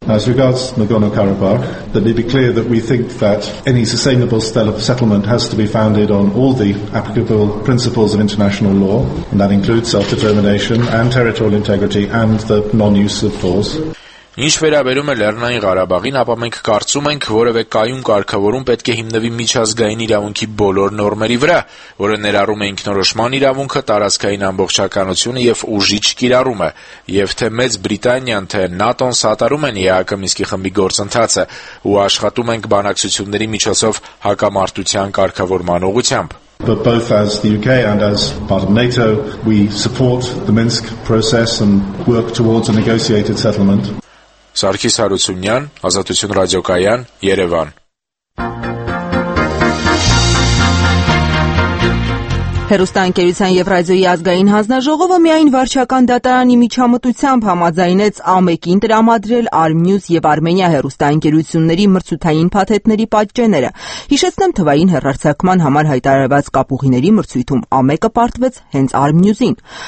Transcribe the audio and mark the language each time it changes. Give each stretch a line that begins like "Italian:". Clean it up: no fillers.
English: As regards Nagorno-Karabakh, let me be clear that we think that any sustainable settlement has to be founded on all the applicable principles of international law, and that includes self-determination and territorial integrity and the non-use of force.
Armenian: Ինչ վերաբերում է Լեռնային Ղարաբաղին, ապա մենք կարծում ենք, որևէ կայուն կարգավորում պետք է հիմնվի միջազգային իրավունքի բոլոր նորմերի վրա, որը ներառում է ինքնորոշման իրավունքը, տարածքային ամբողջականությունը եւ ուժի չկիրառումը, եւ թե Մեծ Բրիտանիան թե ՆԱՏՕ-ն սատարում են ԵԱԿ-ի Միսկի խմբի գործընթացը, ու աշխատում ենք բանակցությունների միջոցով հակամարտության կարգավորման ուղղությամբ։
English: But both as the UK and as part of NATO, we support the Minsk process and work towards a negotiated settlement.
Armenian: Սարգիս Հարությունյան, Ազատություն Ռադիոկայան, Երևան։ Հեռուստաընկերության և ռադիոյի ազգային հանձնաժողովը միայն վարչական դատարանի միջամտությամբ համաձայնեց ԱՄԵԿ-ին տրամադրել Արմնյուս և Արմենիա հեռուստաընկերությունների մրցութային փաթեթների պատճենները։ Հիշեցնեմ, թվային հեռարձակման համար հայտարարված կապուղիների մրցույթում ԱՄԵԿ-ը պարտվեց հենց Արմնյուսին։